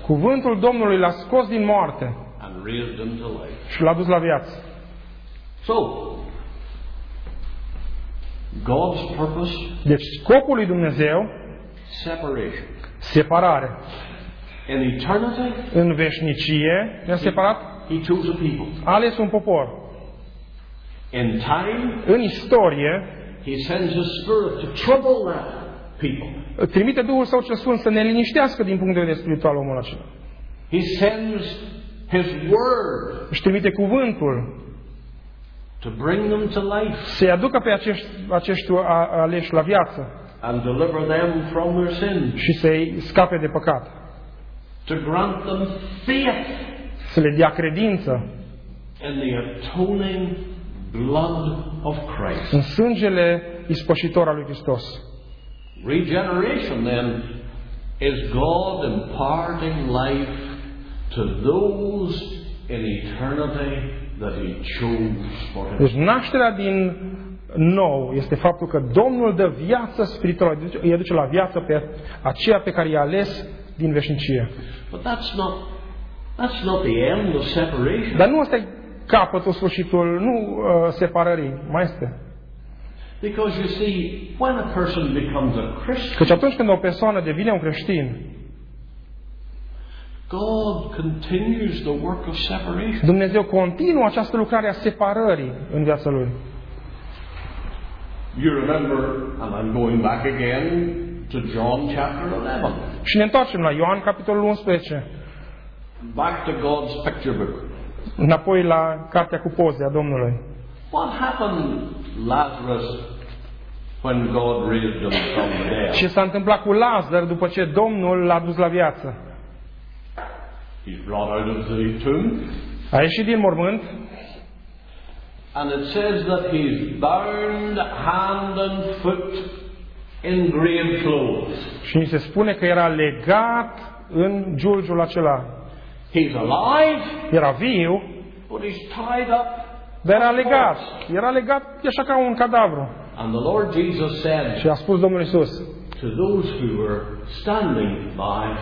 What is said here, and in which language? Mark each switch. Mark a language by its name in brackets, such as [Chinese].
[Romanian] Cuvântul Domnului l-a scos din moarte. [English] And raised him to life. [Romanian] Și l-a dus la viață. [English] So, God's purpose. [Romanian] Deci scopul lui Dumnezeu. [English] Separation. [Romanian] Separare. [English] In eternity. [Romanian] În veșnicie. Ne-a separat. [English] He chose a people. [Romanian] A ales un popor. [English] In time. [Romanian] În istorie. [English] He sends his spirit to trouble that. [Romanian] Trimite Duhul Său cel Sfânt să ne liniștească din punct de vedere spiritual omul acela. [English] He sends his word. [Romanian] Își trimite cuvântul. [English] To bring them to life. [Romanian] Să-i aducă pe acești aleși la viață. [English] And deliver them from their sins. [Romanian] Și să-i scape de păcat. [English] To grant them faith. [Romanian] Să le dea credință. [English] In the atoning blood of Christ. [Romanian] În sângele ispășitor al lui Hristos. [English] Regeneration then is God imparting life to those in eternity that he chose for him. [Romanian] Deci nașterea din nou este faptul că Domnul dă viață spirituală, îi aduce la viață pe aceea pe care i-a ales din veșnicie. [English] But that's not the end of separation. [Romanian] Dar nu asta e capătul, sfârșitul, nu separării, mai este. [English] Because you see, when a person becomes a Christian, [Romanian] căci atunci când o persoană devine un creștin, [English] God continues the work of separation. [Romanian] Dumnezeu continuă această lucrare a separării în viața lui. [English] You remember, and I'm going back again to John chapter 11. [Romanian] Și ne întoarcem la Ioan capitolul 11. [English] Back to God's picture book. [Romanian] Înapoi la cartea cu poze a Domnului. [English] What happened Lazarus when God raised him from the dead? [Romanian] Ce s-a întâmplat cu Lazar după ce Domnul l-a dus la viață? [English] He's brought out of the tomb. [Romanian] A ieșit din mormânt. [English] And it says that he's bound hand and foot in grave clothes. [Romanian] Și se spune că era legat în giulgiul acela. [English] He's alive. [Romanian] Era viu. [English] But he's tied up. [Romanian] Dar era legat. Era legat așa ca un cadavru. [English] And the Lord Jesus said. [Romanian] Și a spus Domnul Iisus. [English] To those who were standing by.